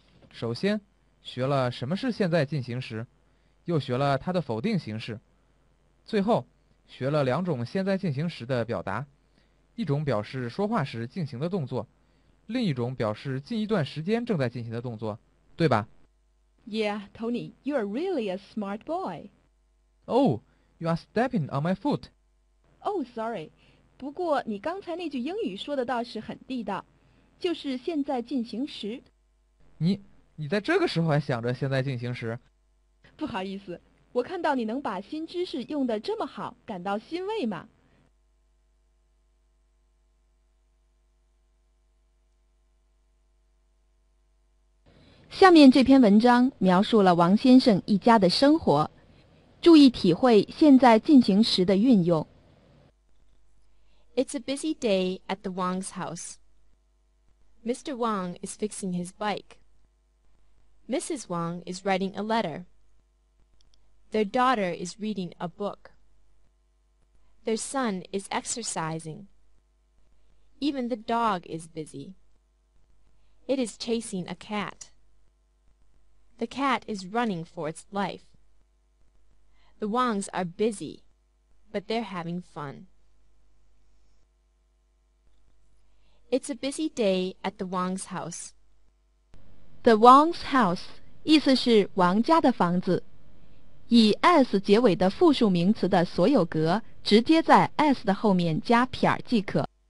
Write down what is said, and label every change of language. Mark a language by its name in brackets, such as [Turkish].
[Chinese] 首先，学了什么是现在进行时，又学了它的否定形式。最后，学了两种现在进行时的表达，一种表示说话时进行的动作，另一种表示近一段时间正在进行的动作，对吧？ [English] Yeah, Tony, you are really a smart boy. Oh, You are stepping on my foot. Oh, sorry. [Chinese] 不过你刚才那句英语说的倒是很地道，就是现在进行时。你在这个时候还想着现在进行时？不好意思，我看到你能把新知识用得这么好，感到欣慰嘛。下面这篇文章描述了王先生一家的生活，注意体会现在进行时的运用。 [English] It's a busy day at the Wang's house. Mr. Wang is fixing his bike. Mrs. Wang is writing a letter. Their daughter is reading a book. Their son is exercising. Even the dog is busy. It is chasing a cat. The cat is running for its life. The Wangs are busy, but they're having fun. It's a busy day at the Wang's house. The Wang's house [Chinese] 意思是王家的房子。以 s 结尾的复数名词的所有格直接在 s 的后面加撇即可。